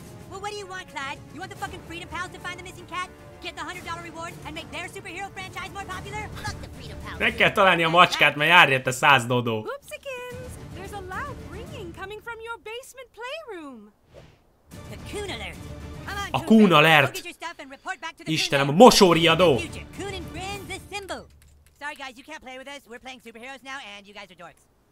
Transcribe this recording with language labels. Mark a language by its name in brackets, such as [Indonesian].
[English] Well, what do you want, Clyde? You want the fucking Freedom Pals to find the missing cat? Get the $100 reward and make their superhero franchise more popular? Fuck the Freedom Pals. [Hungarian] Meg kell találni a macskát, mert jár érte 100 dodó. [English] Oopsikins! There's a loud ringing coming from your basement playroom. The Coon Alert. [Hungarian] A Coon Alert. Istenem, a mosóriadó. [English] Coon and friends assemble. Sorry guys, you can't play with us. We're playing superheroes now and you guys are dorks.